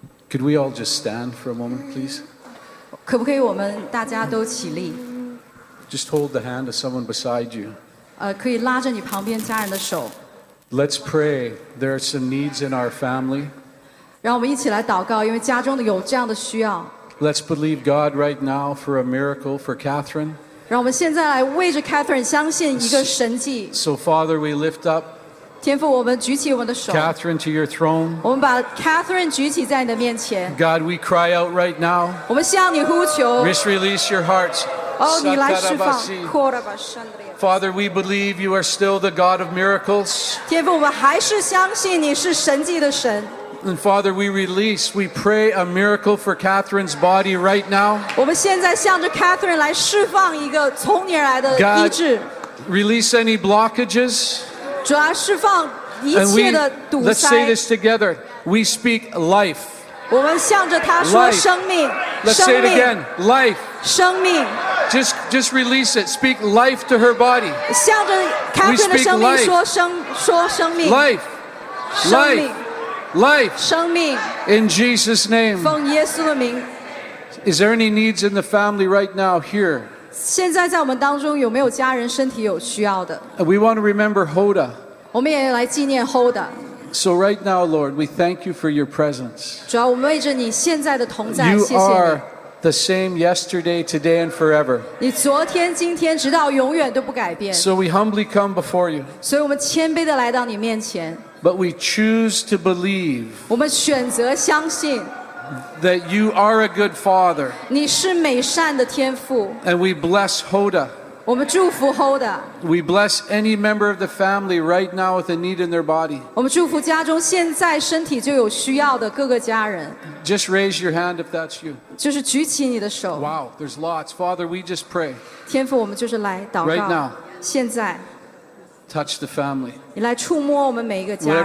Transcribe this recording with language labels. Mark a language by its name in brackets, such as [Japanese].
[English] Could we all just stand for a moment, please? [Chinese] 可不可以我们大家都起立？ [English] Just hold the hand of someone beside you. [Chinese] 可以拉着你旁边家人的手。 [English] Let's pray. There are some needs in our family. [Chinese] 让我们一起来祷告，因为家中的有这样的需要。 [English] Let's believe God right now for a miracle for Catherine. [Chinese] 让我们现在来为着 Catherine 相信一个神迹。 [English] So Father, we lift up. [Chinese] 天父，我们举起我们的手。 [English] Catherine to your throne. [Chinese] 我们把 Catherine 举起在你的面前。 [English] God, we cry out right now. [Chinese] 我们向你呼求。 [English] Just release your hearts. [Chinese] 你来释放。 [English] Father, we believe you are still the God of miracles. [Chinese] 天父，我们还是相信你是神迹的神。 [English] And Father, we release, we pray a miracle for Catherine's body right now. [Chinese] 我们现在向着 Catherine 来释放一个从你而来的医治。 [English] Release any blockages. [Chinese] 主啊，释放一切的堵塞。 [English] Let's say this together. We speak life. [Chinese] 我们向着他说生命。 [English] Let's say it again. Life. [Chinese] 生命。 [English] Just release it. Speak life to her body. [Chinese] 向着 Catherine 的生命说生说生命。 [English] Life. Life. Life, [Chinese] 生命 [English] in Jesus' name. [Chinese] 奉耶稣的名 [English] Is there any needs in the family right now here? [Chinese] 现在在我们当中有没有家人身体有需要的 [English] We want to remember Hoda. [Chinese] 我们也来纪念 Hoda. [English] So right now, Lord, we thank you for your presence. [Chinese] 主要我们为着你现在的同在 [English] You [Chinese] 谢谢 [English] are the same yesterday, today, and forever. [Chinese] 你昨天今天直到永远都不改变 [English] So we humbly come before you. [Chinese] 所以我们谦卑地来到你面前 [English] But we choose to believe [Chinese] 我们选择相信 [English] that you are a good father. [Chinese] 你是美善的天父 [English] And we bless Hoda. [Chinese] 我们祝福 Hoda. [English] We bless any member of the family right now with a need in their body. [Chinese] 我们祝福家中现在身体就有需要的各个家人 [English] Just raise your hand if that's you. [Chinese] 就是举起你的手 [English] Wow, there's lots. Father, we just pray. [Chinese] 天父，我们就是来祷告 [English] Right now. [Chinese] 现在 [English] Touch the family. [Chinese] 你来触摸我们每一个家人。